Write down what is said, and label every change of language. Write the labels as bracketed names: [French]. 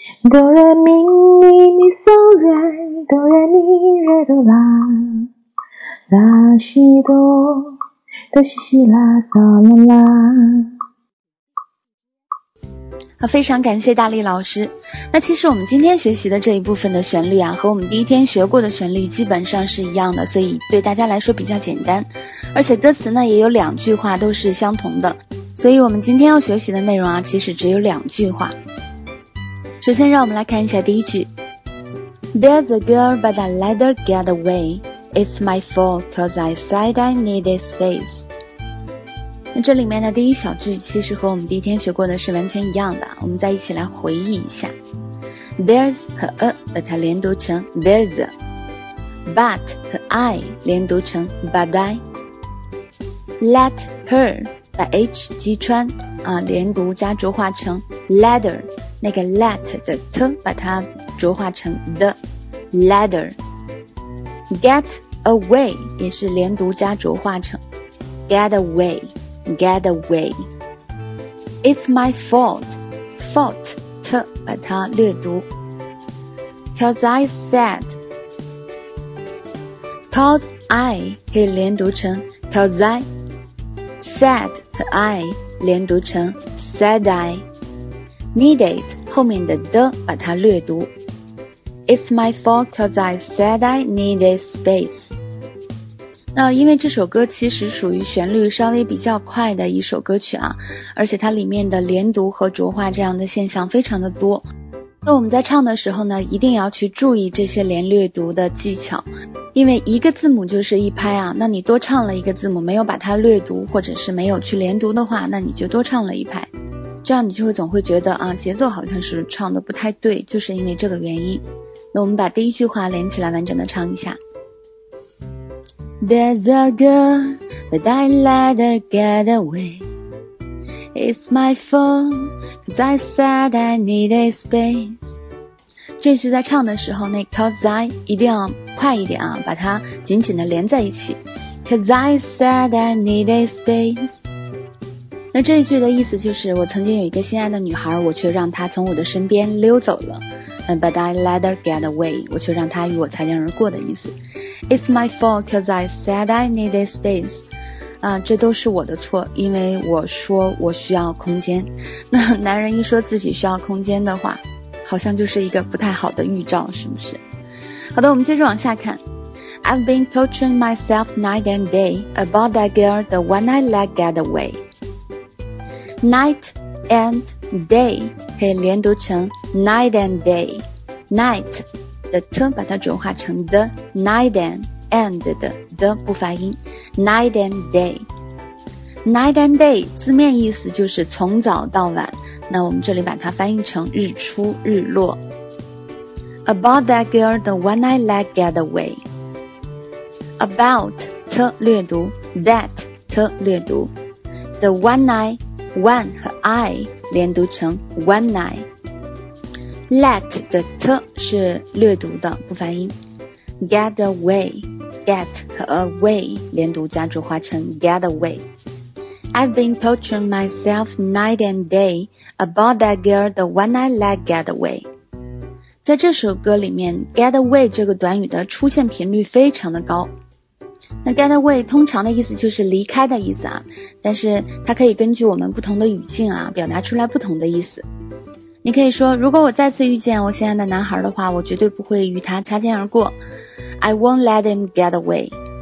[Chinese] ドレミニミソレ、ドレミレドラ。ラシド、トシシラソララ。非常感谢大力老师。那其实我们今天学习的这一部分的旋律啊，和我们第一天学过的旋律基本上是一样的，所以对大家来说比较简单。而且歌词呢也有两句话都是相同的，所以我们今天要学习的内容啊其实只有两句话。首先让我们来看一下第一句。 [English] There's a girl but I let her get away. It's my fault cause I said I needed space. [Chinese] 那这里面的第一小句其实和我们第一天学过的是完全一样的，我们再一起来回忆一下。 [English] There's [Chinese] 和 a 把它连读成 [English] there's a, [Chinese] but 和 I 连读成 [English] but I, let her [Chinese] 把 H 击穿啊，连读加浊化成 letter, 那个 let 的 t 把它浊化成 [English] the letter, [Chinese] get away 也是连读加浊化成 [English] get awayget away. It's my fault. [Chinese] Fault, t, 把它略读。 [English] Cause I said. Cause I, [Chinese] 可以连读成 [English] cause I. Said 和 I, [Chinese] 连读成 [English] said I. [Chinese] Needed, 后面的 the, 把它略读。 [English] It's my fault cause I said I needed space. [Chinese] 那因为这首歌其实属于旋律稍微比较快的一首歌曲啊，而且它里面的连读和浊化这样的现象非常的多，那我们在唱的时候呢一定要去注意这些连略读的技巧，因为一个字母就是一拍啊，那你多唱了一个字母没有把它略读或者是没有去连读的话，那你就多唱了一拍，这样你就会总会觉得啊节奏好像是唱的不太对，就是因为这个原因。那我们把第一句话连起来完整的唱一下。 [English] There's a girl, but I let her get away. It's my fault, cause I said I needed space. [Chinese] 这句在唱的时候，那 [English] cause I [Chinese] 一定要快一点啊，把它紧紧的连在一起。 [English] Cause I said I needed space. [Chinese] 那这一句的意思就是，我曾经有一个心爱的女孩，我却让她从我的身边溜走了。 [English] But I let her get away, [Chinese] 我却让她与我擦肩而过的意思。 [English] It's my fault because I said I needed space. [Chinese] 啊，这都是我的错，因为我说我需要空间。那男人一说自己需要空间的话，好像就是一个不太好的预兆，是不是？好的，我们接着往下看。 [English] I've been torturing myself night and day about that girl, the one I let get away. Night and day [Chinese] 可以连读成 [English] night and day. Night. [Chinese] 的 t 把它转化成 the [English] night and the the [Chinese] 不发音 [English] night and day night and day [Chinese] 字面意思就是从早到晚，那我们这里把它翻译成日出日落。 [English] About that girl, the one I let get away. About t [Chinese] 略读 [English] that t 略读 the one I one 和 I [Chinese] 连读成 [English] one I. [Chinese] Let 的 t 是略读的不发音。 [English] Get away, get 和 away [Chinese] 连读加浊化成 [English] get away. I've been torturing myself night and day about that girl, the one I let get away. [Chinese] 在这首歌里面 get away 这个短语的出现频率非常的高。那 get away 通常的意思就是离开的意思啊，但是它可以根据我们不同的语境啊表达出来不同的意思。你可以说，如果我再次遇见我心爱的男孩的话，我绝对不会与他擦肩而过。 [English] I won't let him get away.